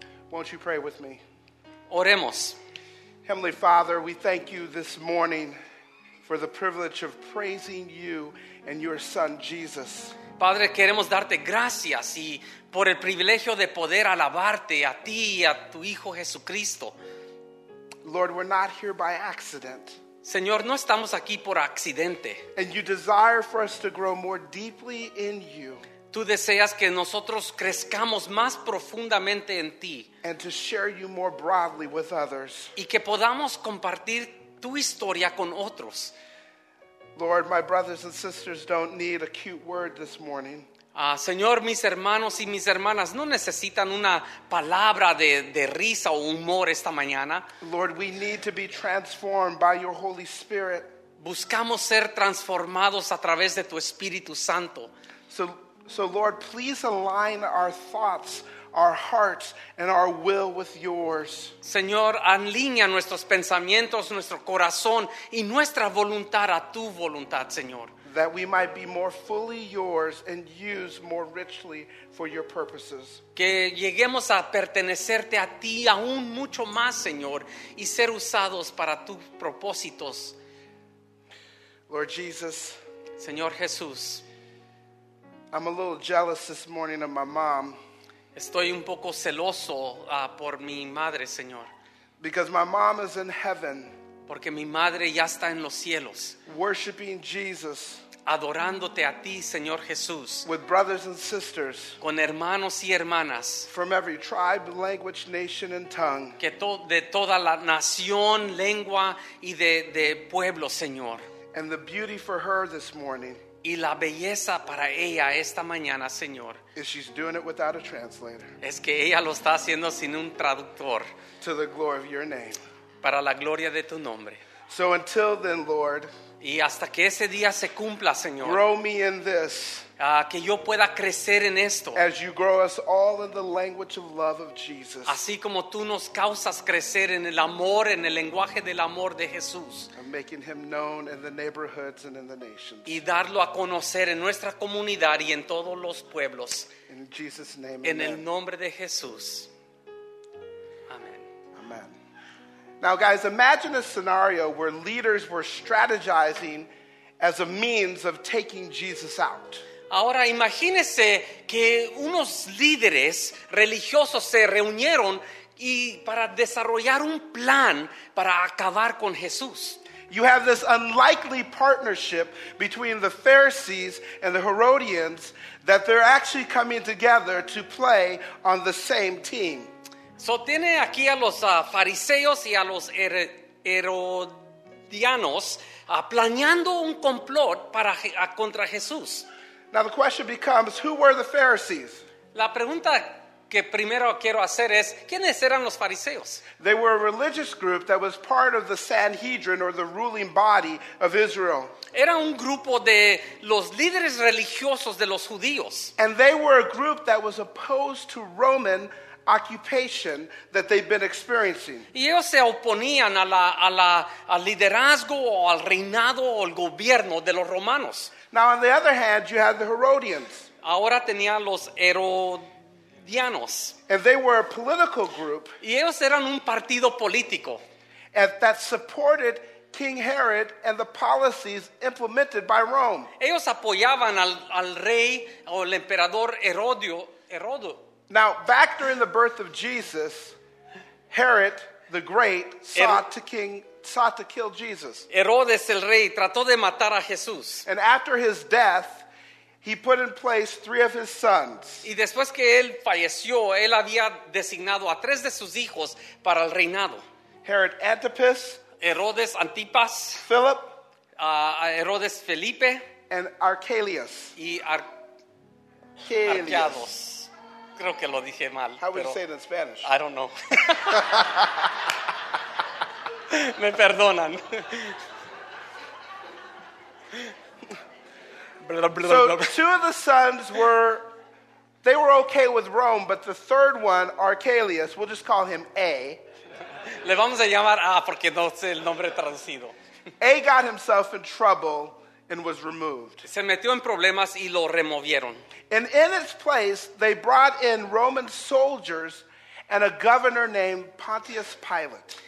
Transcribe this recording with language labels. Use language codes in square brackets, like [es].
[en] Won't you pray with me? [es] Oremos. [en] Heavenly Father, we thank you this morning for the privilege of praising you and your son Jesus. [es] Padre, queremos darte gracias y por el privilegio de poder alabarte a ti y a tu hijo Jesucristo. [en] Lord, we're not here by accident. [es] Señor, no estamos aquí por accidente. [en] And you desire for us to grow more deeply in you. [es] Tú deseas que nosotros crezcamos más profundamente en ti. [en] And to share you more broadly with others. [es] Y que podamos compartir tu historia con otros. [en] Lord, my brothers and sisters don't need a cute word this morning. [es] Señor, mis hermanos y mis hermanas no necesitan una palabra de risa o humor esta mañana. [en] Lord, we need to be transformed by your Holy Spirit. [es] Buscamos ser transformados a través de tu Espíritu Santo. [en] So Lord, please align our thoughts, our hearts, and our will with yours. [es] Señor, alinea nuestros pensamientos, nuestro corazón y nuestra voluntad a tu voluntad, Señor. [en] That we might be more fully yours and used more richly for your purposes. [es] Que lleguemos a pertenecerte a ti aún mucho más, Señor, y ser usados para tus propósitos. [en] Lord Jesus. [es] Señor Jesús. [en] I'm a little jealous this morning of my mom. [es] Estoy un poco celoso por mi madre, Señor. [en] Because my mom is in heaven. [es] Porque mi madre ya está en los cielos. [en] Worshiping Jesus. [es] Adorándote a ti, Señor Jesús. [en] With brothers and sisters. [es] Con hermanos y hermanas. [en] From every tribe, language, nation, and tongue. [es] Que de toda la nación, lengua y de pueblo, Señor. [en] And the beauty for her this morning. [es] Y la belleza para ella esta mañana, Señor. [en] Is she's doing it without a translator. [es] Es que ella lo está haciendo sin un traductor. [en] To the glory of your name. [es] Para la gloria de tu nombre. [en] So until then, Lord. [es] Y hasta que ese día se cumpla, Señor. [en] Grow me in this. [es] Que yo pueda crecer en esto. [en] As you grow us all in the language of love of Jesus. [es] Así como tú nos causas crecer en el amor, en el lenguaje del amor de Jesús. [en] And making him known in the neighborhoods and in the nations. [es] Y darlo a conocer en nuestra comunidad y en todos los pueblos. [en] In Jesus' name, [es] amen. En el nombre de Jesús. [en] Now, guys, imagine a scenario where leaders were strategizing as a means of taking Jesus out. [es] Ahora, imagínese que unos líderes religiosos se reunieron y para desarrollar un plan para acabar con Jesús. [en] You have this unlikely partnership between the Pharisees and the Herodians that they're actually coming together to play on the same team. [es] So tiene aquí a los fariseos y a los herodianos planeando un complot para contra Jesús. [en] Now the question becomes, who were the Pharisees? [es] La pregunta que primero quiero hacer es, ¿quiénes eran los fariseos? [en] They were a religious group that was part of the Sanhedrin, or the ruling body of Israel. [es] Era un grupo de los líderes religiosos de los judíos. [en] And they were a group that was opposed to Roman occupation that they've been experiencing. [es] Y ellos se oponían al liderazgo o al reinado o al gobierno de los romanos. [en] Now on the other hand, you had the Herodians. [es] Ahora tenían los herodianos. [en] And they were a political group. [es] Y ellos eran un partido político. [en] That supported King Herod and the policies implemented by Rome. [es] Ellos apoyaban al rey o el emperador Herodio. [en] Now, back during the birth of Jesus, Herod the Great sought to kill Jesus. [es] Herodes el rey trató de matar a Jesús. [en] And after his death, he put in place three of his sons. [es] Y después que él falleció, él había designado a tres de sus hijos para el reinado. [en] Herod Antipas. [es] Herodes Antipas. [en] Philip. [es] Herodes Felipe. [en] And Archelaus. [es] Y Archelaus. Creo que lo dije mal. [en] How would [es] pero, [en] you say it in Spanish? I don't know. [es] Me perdonan. [en] So two of the sons were okay with Rome, but the third one, Archelaus, we'll just call him A. [es] Le vamos a llamar A porque no sé el nombre traducido. [en] A got himself in trouble and was removed. [es] Se metió en problemas y lo removieron. [en] And in its place, they brought in Roman soldiers and a governor named Pontius Pilate.